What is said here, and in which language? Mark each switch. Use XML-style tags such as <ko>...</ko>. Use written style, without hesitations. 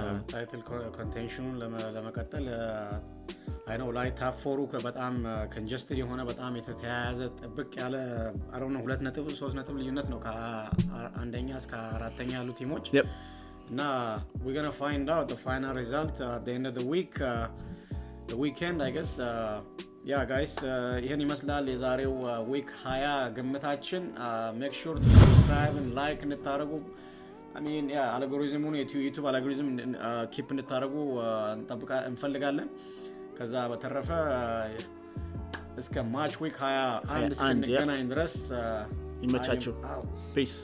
<am>ታይትል ኮንቴንሽኑን ለመቀጠል አይ ኖ ላይ ታፕ 4 በጣም ኮንጀስትድ የሆነ በጣም የተያያዘ ጥብቅ ያለ አሮን 2 ነጥብ 3 ነጥብ ልዩነት ነው ከአንደኛ እስከ አራተኛ ያሉ ቲሞች እና</am> <en>we're going to find out the final result at the end of the week the weekend I guess Yeah guys,</en> <am>ይሄን ይመስላል የዛሬው ዊክ 20 ግምታችን.</am> <en>Make sure to subscribe and like and</en> <am>ታረጉ.</am> <en>I mean, yeah,</en> <am>algorithmን የዩቲዩብ አልጎሪዝም</am> <en>keep and</en> <am>ታረጉ እንጠብቃ እንፈልጋለን. ከዛ በተረፈ እስከ ማች ዊክ 20 አንድ እስከ እንገናኝ ድረስ ይመቻችሁ.</am> <en>Peace.</en>